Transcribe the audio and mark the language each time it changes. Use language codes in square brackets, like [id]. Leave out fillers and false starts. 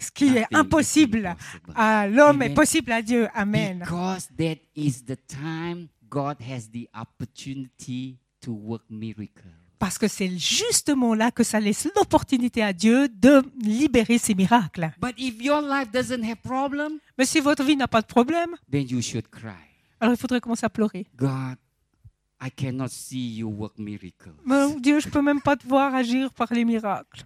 [fr] Ce qui est impossible à l'homme est possible à Dieu. Amen. [en] Because that is the time God has the opportunity to work miracles. [fr] Parce que c'est justement là que ça laisse l'opportunité à Dieu de libérer ses miracles. [en] But if your life doesn't have problem, [fr] mais si votre vie n'a pas de problème, [en] then you should cry. [fr] Alors il faudrait commencer à pleurer. [en] God, I cannot see you work miracles. [fr] Mais Dieu, je ne peux même pas te voir agir par les miracles.